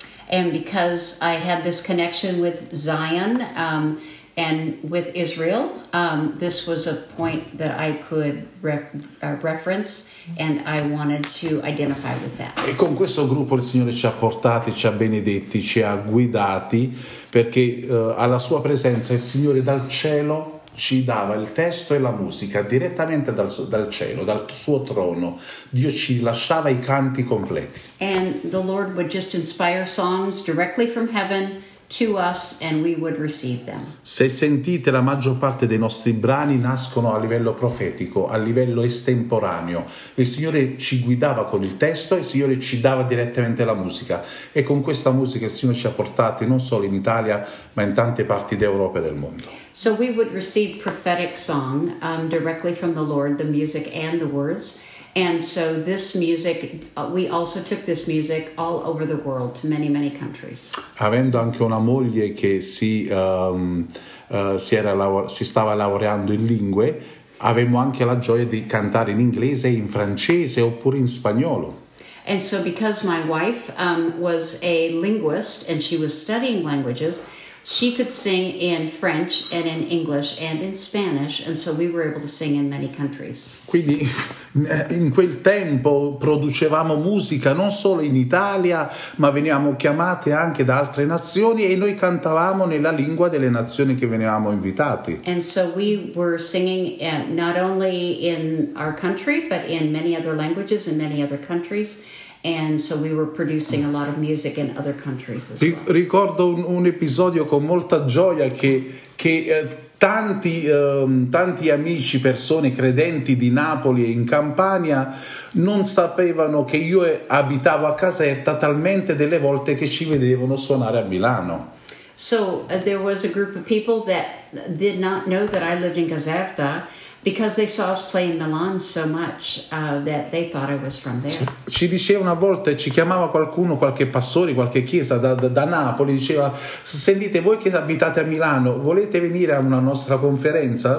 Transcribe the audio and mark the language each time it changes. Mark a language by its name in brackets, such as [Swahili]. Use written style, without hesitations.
[English] And because I had this connection with Zion, and with Israel, this was a point that I could reference, and I wanted to identify with that. [Italian] E con questo gruppo il Signore ci ha portati, ci ha benedetti, ci ha guidati, perché alla sua presenza il Signore dal cielo ci dava il testo e la musica direttamente dal cielo, dal suo trono. Dio ci lasciava i canti completi. [English] And the Lord would just inspire songs directly from heaven to us and we would receive them. [Italian] Se sentite, la maggior parte dei nostri brani nascono a livello profetico, a livello estemporaneo. Il Signore ci guidava con il testo, il Signore ci dava direttamente la musica, e con questa musica il Signore ci ha portati non solo in Italia ma in tante parti d'Europa e del mondo. [English] So we would receive prophetic song directly from the Lord, the music and the words. And so this music, we also took this music all over the world to many, many countries. [Italian] Avendo anche una moglie che si stava laureando in lingue, avemmo anche la gioia di cantare in inglese, in francese oppure in spagnolo. [English] And so because my wife was a linguist and she was studying languages, she could sing in French and in English and in Spanish, and so we were able to sing in many countries. [Italian] Quindi in quel tempo producevamo musica non solo in Italia, ma venivamo chiamate anche da altre nazioni e noi cantavamo nella lingua delle nazioni che venivamo invitati. [English] And so we were singing not only in our country, but in many other languages in many other countries. And so we were producing a lot of music in other countries as well. [Italian] Ricordo un episodio con molta gioia che tanti amici, persone credenti di Napoli e in Campania non sapevano che io abitavo a Caserta talmente delle volte che ci vedevano suonare a Milano. [English] So there was a group of people that did not know that I lived in Caserta because they saw us play in Milan so much that they thought I was from there. [Italian] Ci diceva una volta, ci chiamava qualcuno, qualche pastore, qualche chiesa da Napoli, diceva: sentite, voi che abitate a Milano, volete venire a una nostra conferenza?